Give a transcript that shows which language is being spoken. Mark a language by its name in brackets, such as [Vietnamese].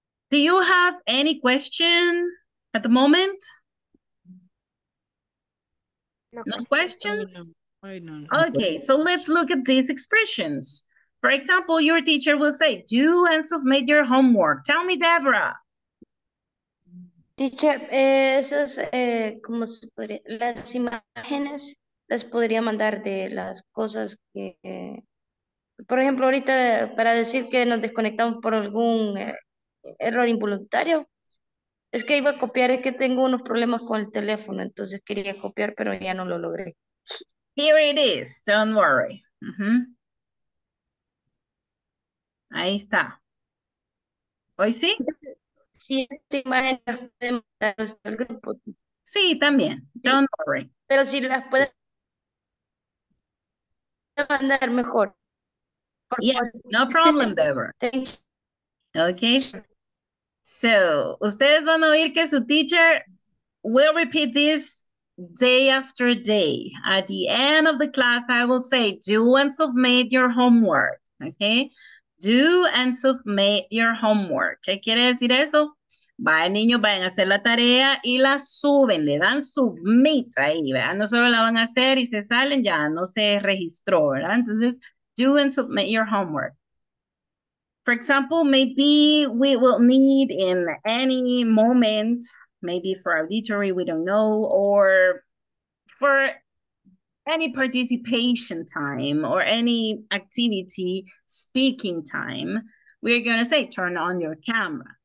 [English] Do you have any question at the moment? No questions? Okay, so let's look at these expressions. For example, your teacher will say, do and submit your homework. Tell me, Deborah. [Spanish] Teacher, esas, como se puede, las imágenes las podría mandar de las cosas que, por ejemplo, ahorita para decir que nos desconectamos por algún error involuntario. Es que iba a copiar, es que tengo unos problemas con el teléfono, entonces quería copiar, pero ya no lo logré. [English] Here it is, don't worry. Mm-hmm. [Spanish] Ahí está. ¿Hoy sí? Sí, esta imagen la puede mandar al grupo. Sí, también. Don't worry. Pero si las puede mandar mejor. Por [English] yes, [Spanish] favor. [English] No problem, Deborah. Thank you. Okay. So, [Spanish] ustedes van a oír que su [English] teacher will repeat this day after day. At the end of the class, I will say, do and submit your homework. Okay. Do and submit your homework. [Spanish] ¿Qué quiere decir eso? Vayan niños, vayan a hacer la tarea y la suben, le dan submit ahí, ¿verdad? No solo la van a hacer y se salen, ya no se registró, ¿verdad? Entonces, [English] do and submit your homework. For example, maybe we will need in any moment, maybe for auditory, we don't know, or for any participation time or any activity, speaking time, we're gonna say, turn on your camera.